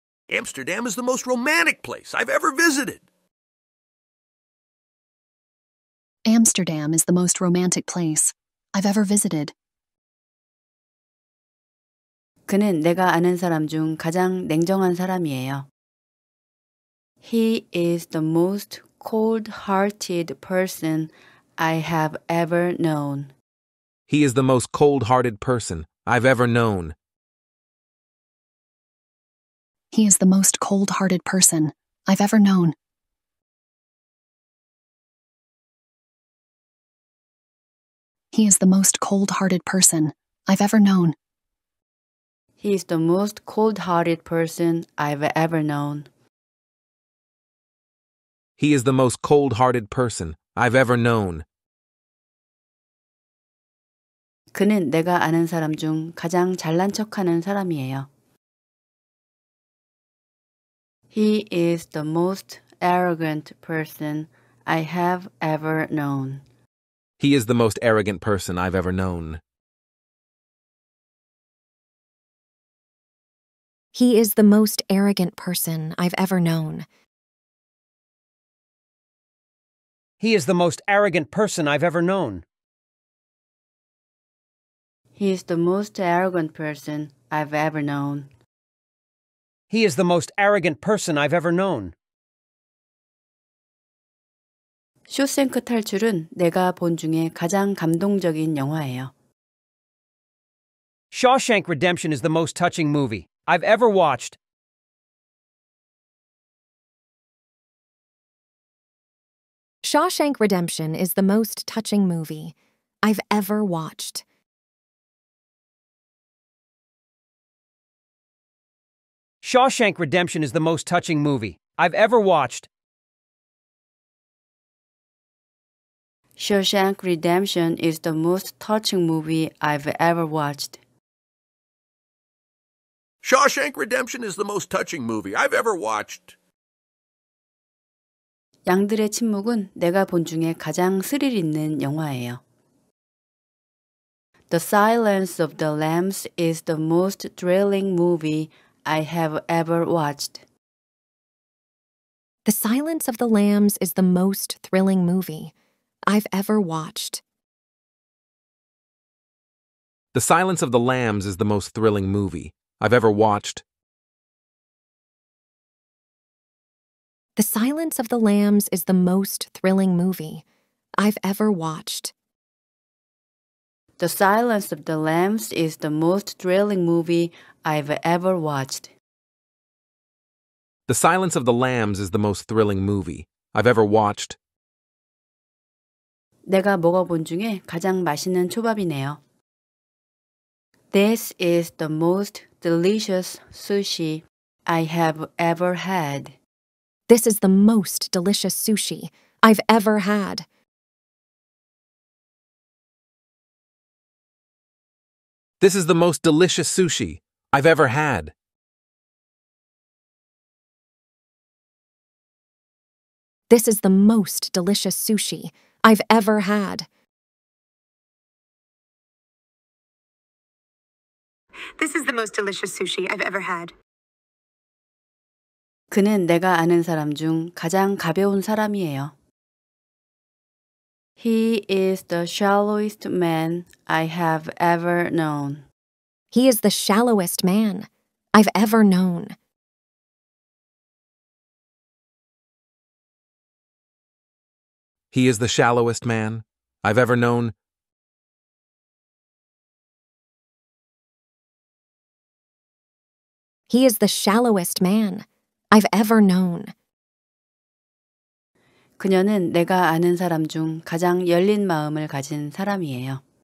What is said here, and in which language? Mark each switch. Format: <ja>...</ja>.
<en>Amsterdam is the most romantic place I've ever visited. Amsterdam is the most romantic place I've ever visited.</en> <ko>그는 내가 아는 사람 중 가장 냉정한 사람이에요.</ko> <en>He is the most cold-hearted person I have ever known. He is the most cold-hearted person I've ever known. He is the most cold-hearted person I've ever known. He is the most cold-hearted person I've ever known. He is the most cold-hearted person I've ever known. He is the most cold-hearted person I've ever known.</en> <ko>그는 내가 아는 사람 중 가장 잘난 척하는 사람이에요.</ko> <en>He is the most arrogant person I have ever known. He is the most arrogant person I've ever known. He is the most arrogant person I've ever known. He is the most arrogant person I've ever known. He is the most arrogant person I've ever known. He is the most arrogant person I've ever known.</en> <ko>쇼생크 탈출은 내가 본 중에 가장 감동적인 영화예요.</ko> <en>Shawshank Redemption is the most touching movie I've ever watched. Shawshank Redemption is the most touching movie I've ever watched. Shawshank Redemption is the most touching movie I've ever watched. Shawshank Redemption is the most touching movie I've ever watched. Shawshank Redemption is the most touching movie I've ever watched. Shawshank Redemption is the most touching movie I've ever watched.</en> <ko>양들의 침묵은 내가 본 중에 가장 스릴 있는 영화예요.</ko> <en>The Silence of the Lambs is the most thrilling movie I have ever watched. The Silence of the Lambs is the most thrilling movie I've ever watched. The Silence of the Lambs is the most thrilling movie I've ever watched. The Silence of the Lambs is the most thrilling movie I've ever watched. The Silence of the Lambs is the most thrilling movie I've ever watched. The Silence of the Lambs is the most thrilling movie I've ever watched.</en> <ko>내가 먹어본 중에 가장 맛있는 초밥이네요.</ko> <en>This is the most delicious sushi I have ever had. This is the most delicious sushi I've ever had. This is the most delicious sushi I've ever had. This is the most delicious sushi I've ever had. This is the most delicious sushi I've ever had.</en> <ko>그는 내가 아는 사람 중 가장 가벼운 사람이에요.</ko> <en>He is the shallowest man I have ever known. He is the shallowest man I've ever known. He is the shallowest man I've ever known. He is the shallowest man I've ever known.</en> <ko>그녀는 내가 아는 사람 중 가장 열린 마음을 가진 사람이에요.</ko>